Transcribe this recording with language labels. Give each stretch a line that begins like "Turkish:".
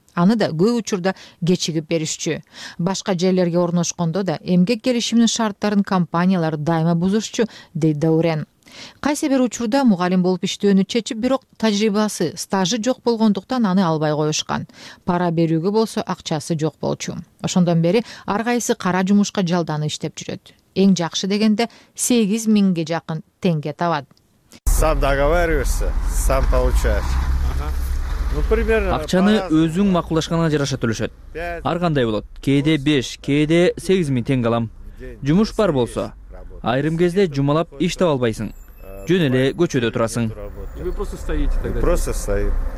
Kyrgyz: Аны да көп учурда кечигип беришчү. Башка жерлерге орношкондо да эмгек келишимин шарттарын компаниялар дайыма бузушчу, дейт Даурен. Кайсы бир учурда мугалим болуп иштөөнү чечип, бирок тажрыйбасы, стажы жок болгондуктан аны албай коюшкан. Пара берүүгө болсо акчасы жок болчу. Ошондон бери ар кайсы кара жумушка жалданып иштеп жүрөт. Эң жакшы дегенде 8 миңге жакын теңге табат.
Russian: Сам договариваешься, сам получаешь.
Kyrgyz: Акчаны өзүң макулдашканына жараша төлөшөт. Ар кандай болот. Кээде 5, кээде 8 миң теңге алам. Жумуш бар болсо, айрым кезде жумалап иш таба албайсың. Жөн эле көчөдө турасың.
Russian: Вы просто стоите тогда. Просто стоим.